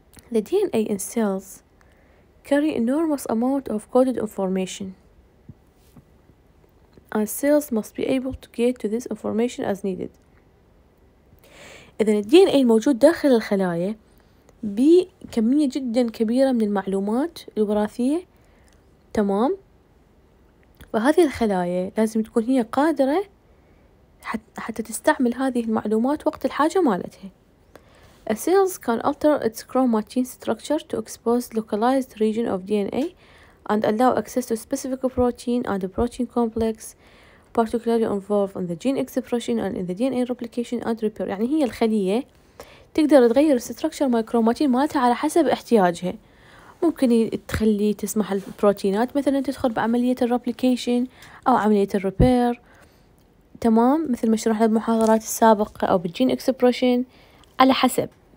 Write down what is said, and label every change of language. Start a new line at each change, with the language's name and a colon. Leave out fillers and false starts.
English: The DNA in cells carry enormous amount of coded information, and cells must be able to get to this information as needed.
Arabic: إذا الDNA الموجود داخل الخلايا بكمية جدا كبيرة من المعلومات الوراثية، تمام، وهذه الخلايا لازم تكون هي قادرة حتى تستعمل هذه المعلومات وقت الحاجة مالتها.
English: A cells can alter its chromatin structure to expose localized region of DNA and allow access to specific protein and the protein complex particularly involved in the gene expression and in the DNA replication and repair.
Arabic: يعني هي الخلية تقدر تغير الستركشر مال الكروماتين مالتها على حسب احتياجها. ممكن تخلي تسمح البروتينات مثلا تدخل بعملية الريبليكيشن او عملية الريبير، تمام، مثل ما شرحنا بالمحاضرات السابقة، او بالجين اكسبريشن، على حسب.